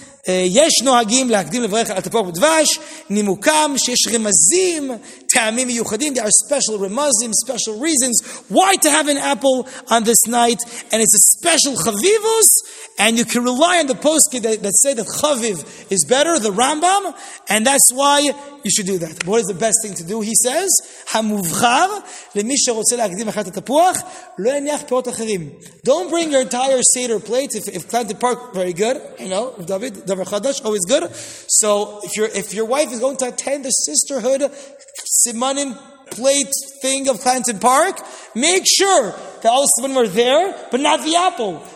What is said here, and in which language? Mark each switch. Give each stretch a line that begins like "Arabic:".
English: יש נוהגים להקדים לברך על תפוח בדבש, נימוקם שיש רמזים, טעמים מיוחדים, there are special רמזים, special reasons why to have an apple on this night, and it's a special chavivus, and you can rely on the poskim that say that chaviv is better, the Rambam, and that's why you should do that. What is the best thing to do, he says?
Hebrew: המובחר, למי שרוצה להקדים אחת התפוח, לא יניח פירות אחרים.
English: Don't bring your entire Seder plate, if Clanty Park, very good, you know, David, Davar Chadash, always good. So, if your wife is going to attend the sisterhood, Simanim plate thing of Clanty Park, make sure that all the Simanim are there, but not the apple.